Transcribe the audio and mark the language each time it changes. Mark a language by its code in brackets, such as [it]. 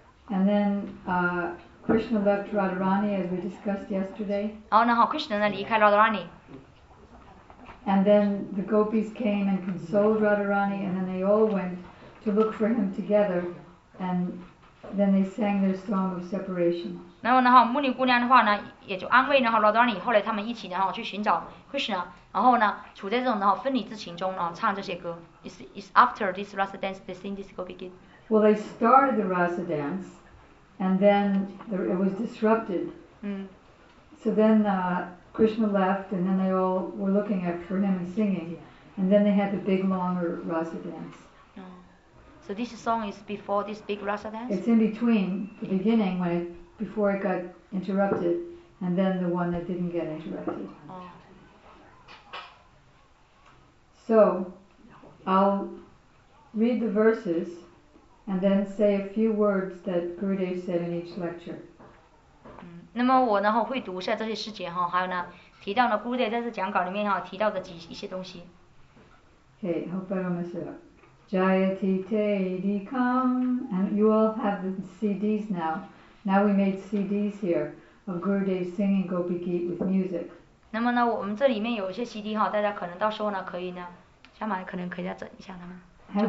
[en] And then Krishna left Radharani as we discussed yesterday. [zh] 然后呢哈 ，Krishna 呢离开 Radharani。 [en] And then the gopis came and consoled Radharani, and then they all went to look for him together, and then they sang their song of separation. [zh] 然后呢哈，牧牛姑娘的话呢，也就安慰呢哈 Radharani。后来他们一起呢哈去寻找 Krishna， 然后呢处在这种的哈分离之情中啊，唱这些歌。 [en] It's after this rasa dance they sing this gopi geet. Well, they started the rasa dance, and then it was disrupted. So then. Krishna left, and then they all were looking at for him and singing, and then they had the big longer rasa dance. So this song is before this big rasa dance. It's in between the beginning when it, before it got interrupted, and then the one that didn't get interrupted. So I'll read the verses, and then say a few words that Gurudev said in each lecture. [zh] 那么我呢会读一下这些诗节哈，还有呢提到呢 Gurudev 在这讲稿里面哈提到的几一些东西。 [en] Okay, hope I don't mess it up. [sa] Jayati te dikam, [en] and you all have the CDs now. Now we made CDs here of Gurudev singing Gopi Geet with music. [zh] 那么呢，我们这里面有一些 CD 哈，大家可能到时候呢可以呢，下面可能可以再整一下他们。